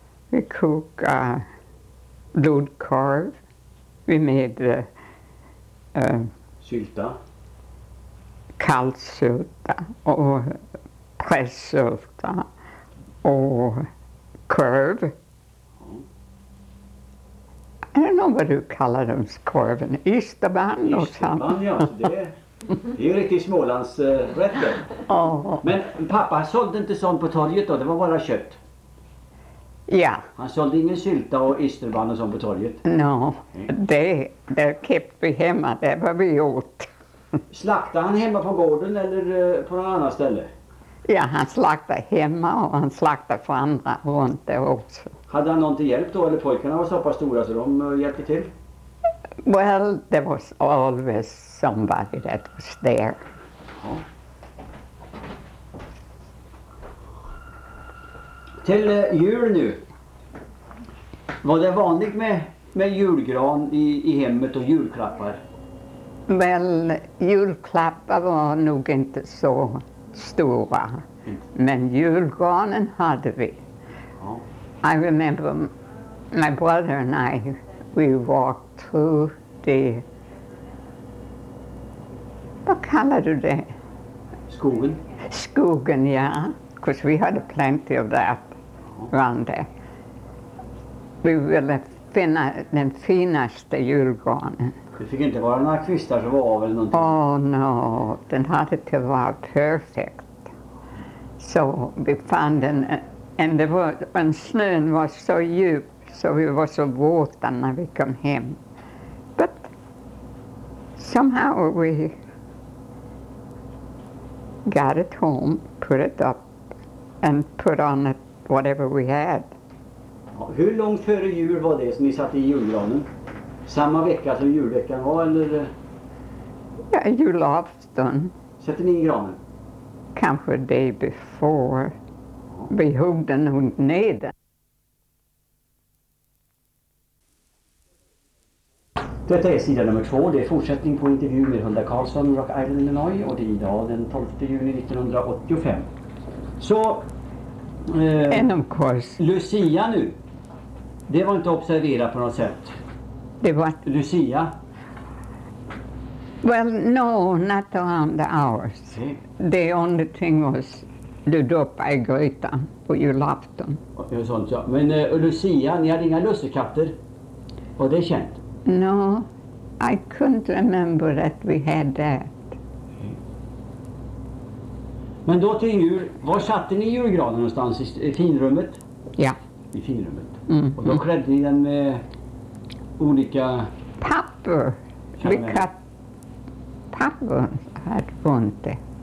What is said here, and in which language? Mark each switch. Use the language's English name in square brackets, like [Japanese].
[Swedish] Vi koka blodkorv. Vi med sylta. Kallsylta och pressylta och korv. [English] I don't know what you call it, it's korv. [Swedish] En isterband [English] or something. [Swedish] Isterband, ja. Det är ju riktigt smålandsrätten. Men pappa sålde inte sånt på torget då, det var bara kött. Ja. Han sålde ingen sylta och isterband och sånt på torget. No, det kept vi hemma, det var vi gjort. Slaktade han hemma på gården eller på någon annan ställe? Ja, han slaktade hemma och han slaktade för andra runt det också. Hade han någon till hjälp då, eller pojkarna var så pass stora så de hjälpte till? [English] Well, there was always somebody that was there. [Swedish] Ja. Till jul nu. Var det vanligt med julgran i hemmet och julklappar? Well, julklappar var nog inte så stora. Men julgranen hade vi. Ja. [English] I remember my brother and I, we walked through the, [Swedish] vad kallar du det? Skogen. Skogen, ja. [English] Because we had plenty of that around there. [Swedish] We ville finna den finaste julgranen. Det fick inte vara några kvistar som var av eller någonting? [English] Oh no, [Swedish] den hade till vara perfekt. [English] So we found and there was, and snön was so deep, so we were so wet when we came home. But somehow we got it home, put it up, and put on it whatever we had. [Swedish] Hur långt före jul var det som ni satt i julgranen? Samma vecka som julveckan var, eller? Ja, julafton. Sätter ni in granen? Kanske [English] day before. [Swedish] Ja. Vi hugg den ner den. Detta är sida nummer 2. Det är fortsättning på intervju med Hulda Karlsson, Rock Island, Illinois. Och det är idag den 12 juni 1985. Så, [English] and of course. [Swedish] Lucia nu. Det var inte observerat på något sätt. Det var? Lucia. [English] Well, no, not around the hours. Okay. The only thing was the [Swedish] dopa i grytan på julafton. Ja, sånt, ja. Men Lucia, ni hade inga lussekatter. Och det är känt. [English] No, I couldn't remember that we had that. [Swedish] Men då till jul, var satte ni julgranen någonstans? I finrummet? Ja. I finrummet. Mm-hmm. Och då klädde ni den med olika... Papper. Vi cut papper hade runt det.